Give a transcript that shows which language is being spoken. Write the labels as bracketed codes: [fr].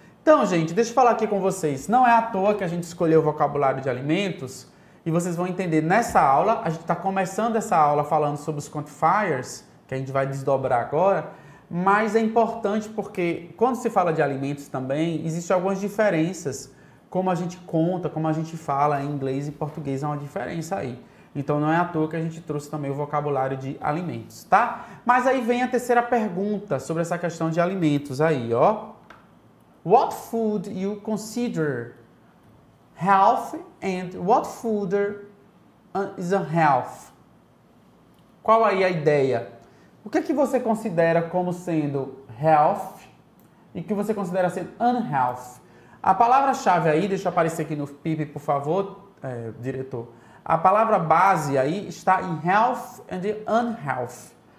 [pt] Então, gente, deixa eu falar aqui com vocês. Não é à toa que a gente escolheu o vocabulário de alimentos, e vocês vão entender nessa aula, a gente está começando essa aula falando sobre os quantifiers, que a gente vai desdobrar agora, mas é importante porque quando se fala de alimentos também, existem algumas diferenças. Como a gente conta, como a gente fala em inglês e português, há uma diferença aí. Então não é à toa que a gente trouxe também o vocabulário de alimentos, tá? Mas aí vem a terceira pergunta sobre essa questão de alimentos aí, ó. [en] What food you consider health and what food is unhealth? [pt] Qual aí a ideia? O que é que você considera como sendo health e que você considera sendo unhealth? A palavra-chave aí, deixa eu aparecer aqui no PIP, por favor, diretor. A palavra base aí está em [en] health and unhealth.